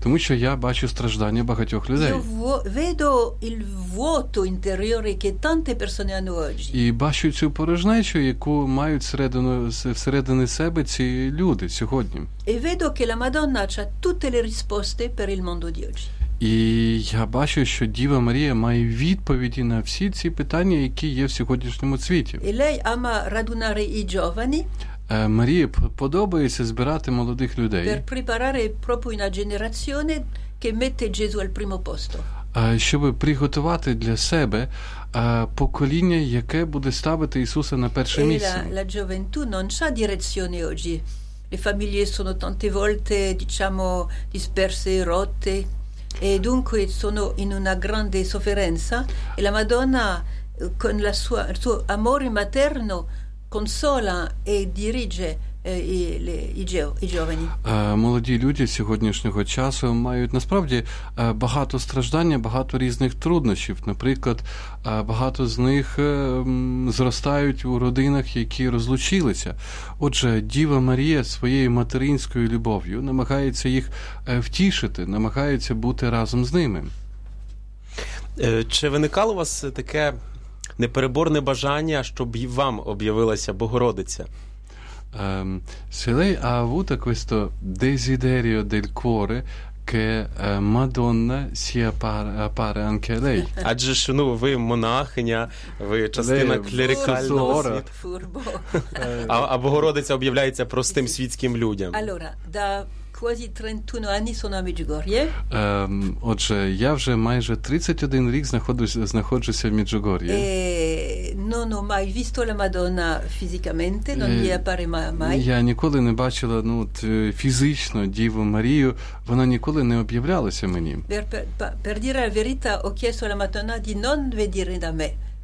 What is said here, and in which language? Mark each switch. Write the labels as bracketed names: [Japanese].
[Ukrainian] Тому що я бачу страждання багатьох людей. [Italian] Io vedo il vuoto interiore che tante persone hanno oggi. [Ukrainian] І бачу цю порожнечу, яку мають всередині себе ці люди сьогодні. [Italian] E vedo che la Madonna ha tutte le risposte per il mondo di oggi. [Ukrainian] І я бачу, що Діва Марія має відповіді на всі ці питання, які є в сьогоднішньому світі. [Italian] І лей ама радунари і джовані. [Ukrainian] Марія подобається збирати молодих людей. [Italian] Per preparare proprio una generazione che mette Gesù al primo posto. [Ukrainian] Щоб приготувати для себе покоління, яке буде ставити Ісуса на перше місце. [Italian] La gioventù non c'ha direzione oggi. Le famiglie sono tante volte, diciamo, disperse, rotte. E dunque sono in una grande sofferenza e la Madonna con la sua, il suo amore materno consola e dirige i giovani. [Ukrainian] Молоді люди сьогоднішнього часу мають насправді багато страждання, багато різних труднощів. Наприклад, багато з них зростають у родинах, які розлучилися. Отже, Діва Марія своєю материнською любов'ю намагається їх втішити, намагається бути разом з ними. Чи виникало у вас таке непереборне бажання, щоб вам об'явилася Богородиця? [Italian] Se lei ha avuto questo desiderio del cuore che Madonna sia appare anche a lei. [Ukrainian] Адже ж, ну, ви монахиня, ви частина клерикального світу. А Богородиця об'являється простим світським людям. [Italian] Allora, da quasi 31 anni sono a Međugorje. [Ukrainian] Отже, я вже майже 31 рік знаходжуся в Меджугор'ї. [Italian] Non ho mai visto la Madonna fisicamente, non gli appare mai. [Ukrainian] Я ніколи не бачила, ну, фізично Діву Марію, вона ніколи не об'являлася мені. [Italian] Per dire la verità, ho chiesto alla Madonna di non venire da me.